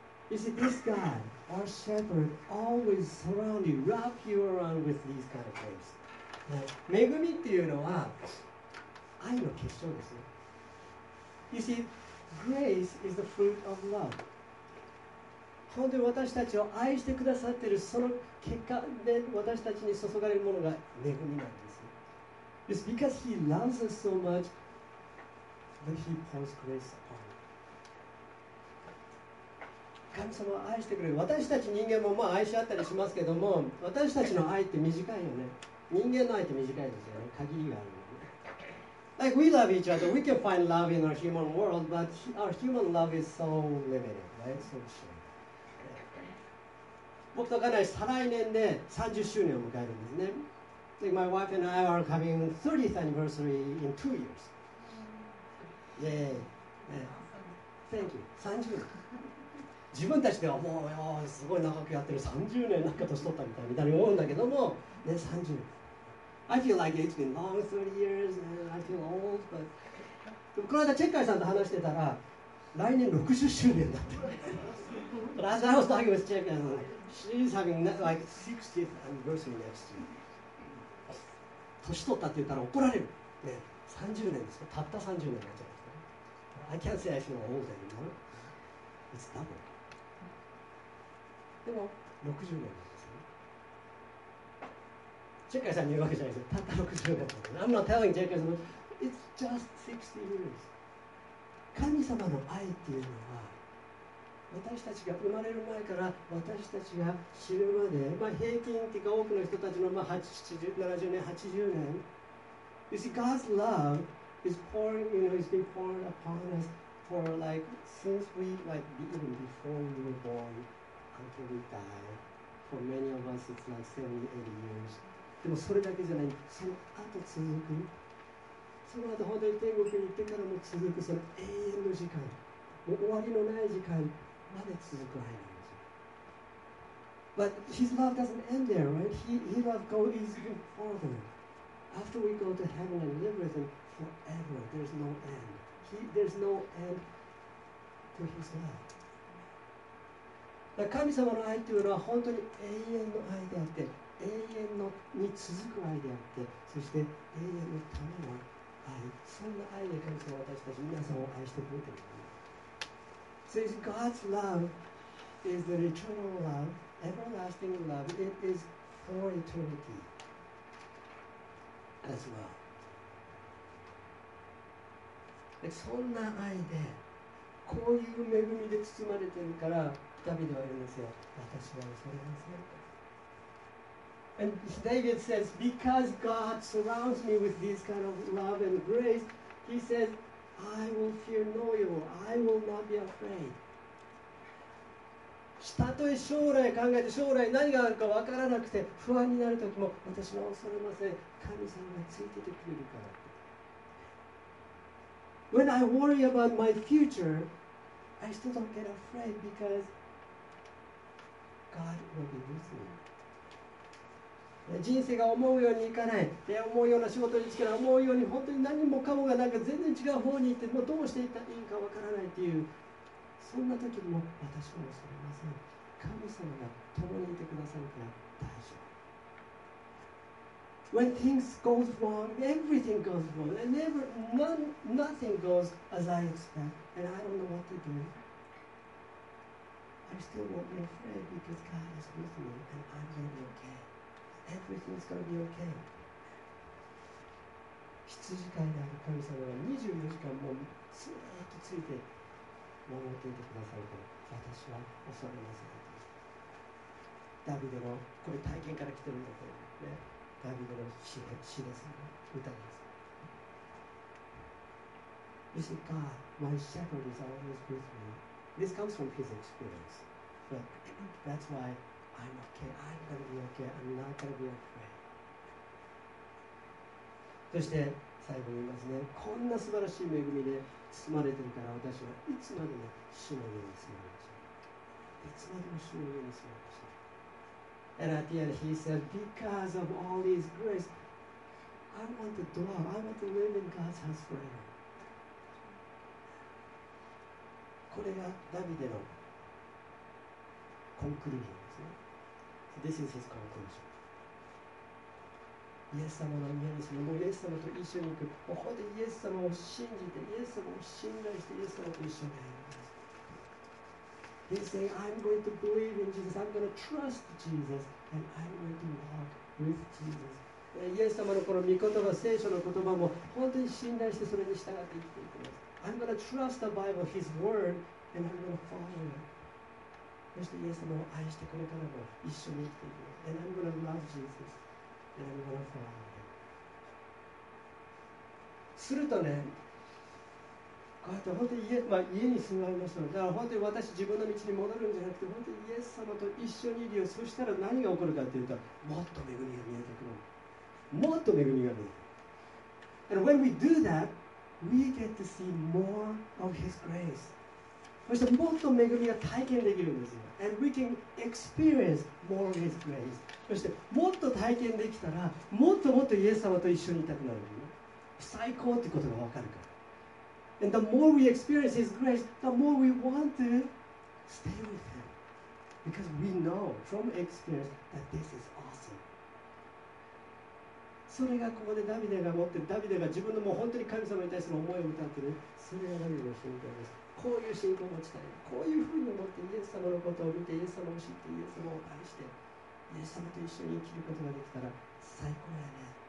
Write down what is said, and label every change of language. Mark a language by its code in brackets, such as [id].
[en] You see, this God, our shepherd, always surround you, wrap you around with these kind of things. [ja] 恵みっていうのは愛の結晶ですね。 [en] You see, grace is the fruit of love. [ja] 本当に私たちを愛してくださっているその結果で私たちに注がれるものが恵みなんです。 [en] It's because he loves us so much that he pours grace upon us. [ja] 神様を愛してくれる。私たち人間もまあ愛し合ったりしますけども、私たちの愛って短いよね。人間の愛って短いですよね。限りがあるよね。 [en] Like we love each other, we can find love in our human world, but our human love is so limited, right? So short. [ja] 僕とカナイ、再来年で30周年を迎えるんですね。 [en] で、my wife and I are having 30th anniversary in 2 years. Yay! Thank you. [ja] 30年。自分たちではもう、すごい長くやってる、30年、なんか年取ったみたいみたいに思うんだけども、ね、30年。 [en] I feel like it's been long 30 years and I feel old, but... [ja] でもこの間、チェッカイさんと話してたら、来年60周年だって。 [en] But as I was talking with チェッカイさん、She's having like 60th anniversary next year. [ja] 年取ったって言ったら怒られる。ね、30年ですか。たった30年になっちゃう。 [en] I can't say I feel old anymore. It's double. [ja] でも、60年なんですね。チェッカイさんに言うわけじゃないですよ。たった60年なんですね。 [en] I'm not telling チェッカイさん。 It's just 60 years. [ja] 神様の愛っていうのは、私たちが生まれる前から私たちが死ぬまで、まあ、平均というか多くの人たちの、まあ、70年、80年。 [en] You see, God's love is pouring, you know, it's been poured upon us for like since we, like even before we were born until we die. For many of us, it's like 70-80 years. でもそれだけじゃない、その後続く、その後本当に天国に行ってからも続く、その永遠の時間、もう終わりのない時間まで続く愛なんですよ。 But his love doesn't end there, right? His love goes even further. After we go to heaven and live with him forever, there's no end. There's no end to his love. [ja] だから神様の愛というのは本当に永遠の愛であって、永遠のに続く愛であって、そして永遠のための愛。そんな愛で神様は私たち皆さんを愛してくれている。 [en] Since God's love is the eternal love, everlasting love, it is for eternity as well. [ja] そんな愛で、こういう恵みで包まれてるから、ダビデは言うんですよ。私は恐れません。 [en] And David says, because God surrounds me with this kind of love and grace, he says,I will fear no evil. I will not be afraid. [ja] たとえ将来考えて将来何があるか分からなくて不安になるときも私は恐れません。神様がついててくれるから。 When I worry about my future, I still don't get afraid because God will be with me. 人生が思うようにいかない、思うような仕事に就けない、思うように本当に何もかもがなんか全然違う方に行って、もうどうしていったらいいかわからないっていう、そんな時も私も恐れません。神様が共にいてくださるから大丈夫。 [en] When things go wrong, everything goes wrong and nothing goes as I expect and I don't know what to do, I still won't be afraid because God is with me and I'm going to be okay. Everything's going to be okay. [ja] 羊飼いである神様が24時間もずっとついて守っていてくださると私は恐れません。ダビデのこれ体験から来てるんだと思うね。ダビデの詩ですね、歌です。 [en] You see, God, my shepherd is always with me. This comes from his experience. But that's why I'm okay. I'm going to be okay. I'm not going to be afraid. [ja] そして最後に言いますね、こんな素晴らしい恵みで包まれてるから私はいつまでも主の上に住みましょう。いつまでも主の上に住みましょう。 [en] And at the end, he said, because of all his grace, I want to dwell, I want to live in God's house forever. [ja] これがダビデのコンクルージョンですね。 [en] So、this is his conclusion. [ja] イエス様の御前に、もうイエス様と一緒に行く。ここでイエス様を信じて、イエス様を信頼して、イエス様と一緒に行く。 [en] He's saying, I'm going to believe in Jesus. I'm going to trust Jesus. And I'm going to walk with Jesus. [ja] イエス様のこの御言葉、聖書の言葉も本当に信頼してそれに従って生きていきます。 [en] I'm going to trust the Bible, His Word, and I'm going to follow it. [ja] そしてイエス様を愛してこれからも一緒に生きていきます。 [en] And I'm going to love Jesus. And I'm going to follow Him. [ja] するとね、こうやって本当に 家に住まいましたので、だから本当に私自分の道に戻るんじゃなくて本当にイエス様と一緒にいるよ。そしたら何が起こるかというと、もっと恵みが見えてくる、もっと恵みが見えてくる。 [en] And when we do that, we get to see more of His grace. [ja] そしてもっと恵みが体験できるんですよ。 [en] And we can experience more of His grace. [ja] そしてもっと体験できたら、もっともっとイエス様と一緒にいたくなる、ね、最高っていうことが分かるから。 [en] And the more we experience His grace, the more we want to stay with Him. Because we know from experience that this is awesome. [ja] それがここでダビデが持っている、ダビデが自分のもう本当に神様に対する思いを歌っている、それがダビデの信仰です。こういう信仰を持ちたい。こういうふうに思ってイエス様のことを見て、イエス様を知って、イエス様を愛して、イエス様と一緒に生きることができたら最高やね。